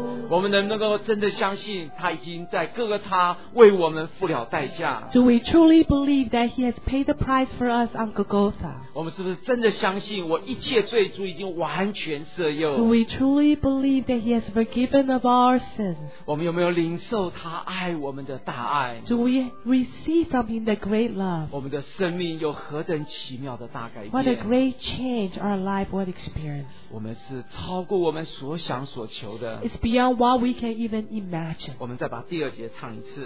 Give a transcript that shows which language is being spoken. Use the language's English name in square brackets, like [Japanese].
[Chinese] 我们能不能够真的相信他已经在哥哥他为我们付了代价？ [English] Do we truly believe that he has paid the price for us on Golgotha? [Chinese] 我们是不是真的相信我一切罪主已经完全赦宥？ [English] Do we truly believe that he has forgiven of our sins? [Chinese] 我们有没有领受他爱我们的大爱？ [English] Do we receive from him the great love? [Chinese] 我们的生命有何等奇妙的大改变？ [English] What a great change our life would experience. [Chinese] 我们是超过我们所想所求的。 [English] It's beyond what we can even imagine. [Chinese] 我们再把第二节唱一次。